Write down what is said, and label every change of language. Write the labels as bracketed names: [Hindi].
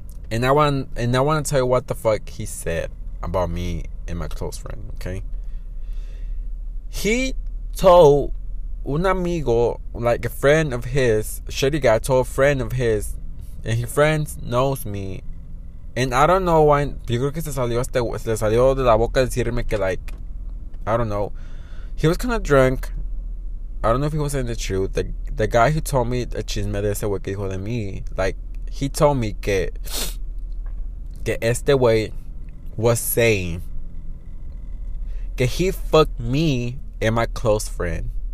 [English] And I want to tell you what the fuck he said about me and my close friend, okay? He told [Spanish] un amigo, [English] like, a friend of his, Shady Guy, told a friend of his, and his friend knows me, and I don't know why. [Spanish] Yo creo que se salió de la boca decirme que, [English] like, I don't know. He was kind of drunk. I don't know if he was saying the truth. The guy who told me a chisme [Spanish] de ese wey que dijo de mí, [English] like, he told me [Spanish] que este wey [English] was saying que he fucked me and my close friend.